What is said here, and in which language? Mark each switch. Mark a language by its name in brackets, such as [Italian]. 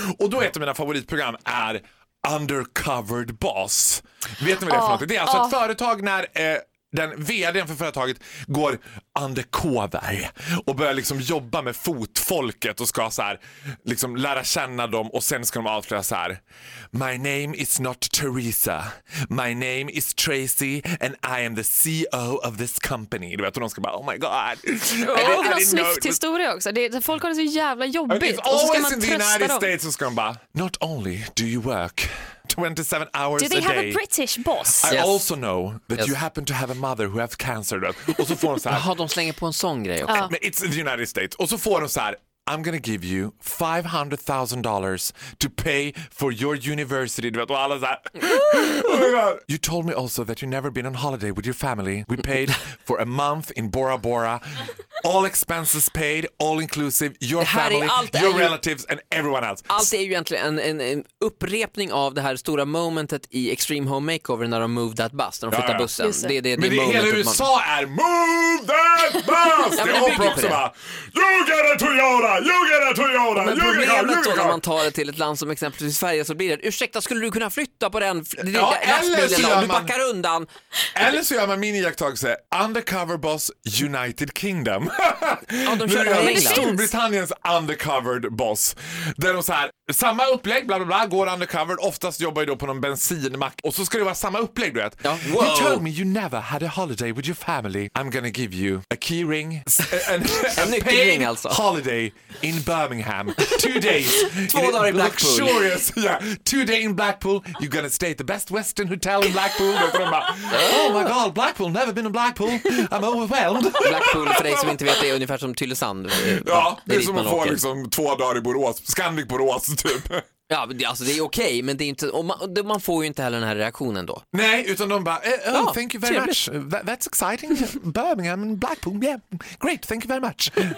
[Swedish] Och då ett av mina favoritprogram är Undercover Boss. Vet ni vad det är för något? Det är alltså ett företag när den vdn för företaget går undercover och börjar liksom jobba med fotfolket och ska så här liksom lära känna dem och sen ska de avslöja så här: [English] My name is not Teresa. My name is Tracy and I am the CEO of this company. [Swedish] Du vet, och de ska bara, [English] oh my god. [Swedish] Är det en snyfthistoria också? Folk har det så jävla jobbigt. [English] It's always in the United States, [Swedish] så ska de bara, [English] not only do you work 27 hours a day. Do they have a British boss? Also know that you happen to have a mother who has cancer. [Swedish] Och så får de så här. Jaha, de slänger på en sån grej också. [English] Men it's in the United States. [Swedish] Och så får de så här, [English] I'm gonna give you $500,000 to pay for your university. [Swedish] Du vet, och alla så här. [English] Oh my god. You told me also that you've never been on holiday with your family. We paid for a month in Bora Bora. All expenses paid, all inclusive, your family, your relatives and everyone else. [Swedish] Allt är ju egentligen en upprepning av det här stora momentet i Extreme Home Makeover när de [English] moved that bus, [Swedish] när de flyttar bussen. [English] Yes. [Swedish] Men det hela USA är [English] move that bus! [Swedish] Det är Oprah också bara, [English] you get a Toyota, you get a Toyota, [Swedish] men [English] you get a Toyota. [Swedish] Men problemet då när man tar det till ett land som exempelvis Sverige så blir det, ursäkta, skulle du kunna flytta på den? Eller så gör man min iakttagelse, undercover boss United Kingdom. Ja, de kör nu, Storbritanniens undercover boss. Där de så här, samma upplägg, bla bla bla, går undercover. Oftast jobbar ju då på någon bensinmack. Och så ska det vara samma upplägg, du vet. Ja. [English] You told me you never had a holiday with your family. I'm gonna give you a key ring. [Swedish] En nyckelring alltså. [English] Holiday in Birmingham. 2 days. [Swedish] 2 dagar i Blackpool. [English] Luxurious, yeah. 2 days in Blackpool. You're gonna stay at the best Western hotel in Blackpool. Oh my god, Blackpool, never been in Blackpool. I'm overwhelmed. [Swedish] Blackpool för dig som inte vet, det är ungefär som Tylösand. Ja, det är som att få liksom 2 dagar i Borås. Scandic Borås typ. Ja, alltså det är okej, men det är inte, man får ju inte heller den här reaktionen då. Nej, utan de bara, [English] thank you very much. That's exciting. Birmingham and Blackpool, yeah. Great, thank you very much.